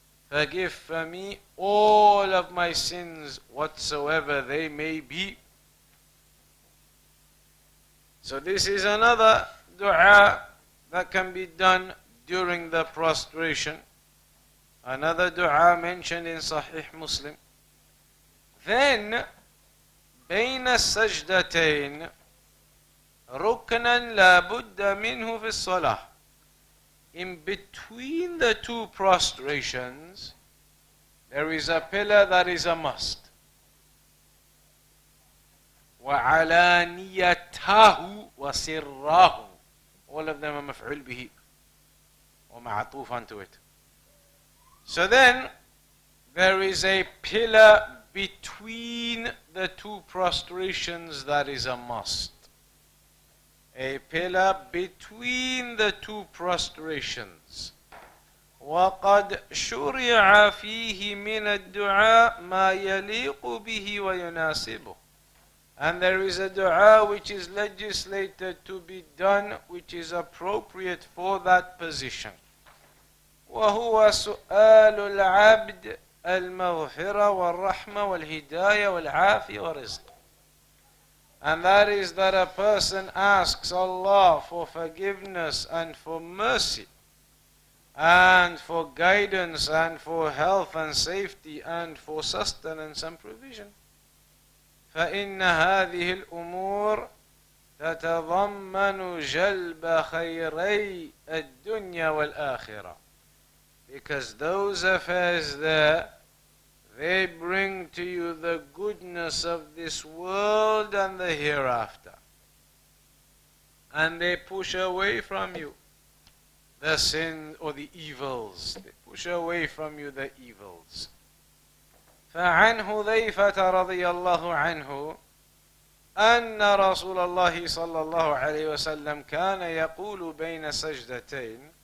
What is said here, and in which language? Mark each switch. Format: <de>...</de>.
<en>Forgive for me all of my sins, whatsoever they may be. So this is another dua that can be done during the prostration. Another dua mentioned in Sahih Muslim. Then,</en> <ar>بين السجدتين ركنا لا بد منه في الصلاة.</ar> <en>In between the two prostrations, there is a pillar that is a must.</en> <ar>وعلانيته وسره.</ar> <en>All of them are</en> <ar>مفعول به ومعطوف</ar> <en>onto it. So then, there is a pillar between the two prostrations that is a must. A pillar between the two prostrations.</en> <ar>وَقَدْ شُرِعَ فِيهِ مِنَ الدُّعَاءِ مَا يَلِيقُ بِهِ وَيُنَاسِبُ.</ar> <en>And there is a dua which is legislated to be done, which is appropriate for that position.</en> <ar>وهو سؤال العبد المغفرة والرحمة والهداية والعافية والرزق.</ar> <en>And that is that a person asks Allah for forgiveness and for mercy and for guidance and for health and safety and for sustenance and provision.</en> <ar>فَإِنَّ هَذِهِ الْأُمُورِ تَتَضَمَّنُ جَلْبَ خَيْرَيْ الدُّنْيَا وَالْآخِرَةِ</ar> <en>Because those affairs there, they bring to you the goodness of this world and the hereafter. And they push away from you the sin or the evils. They push away from you the evils.</en> <ar>فعن حذيفة رضي الله عنه أن رسول الله صلى الله عليه وسلم كان يقول بين سجدتين.</ar>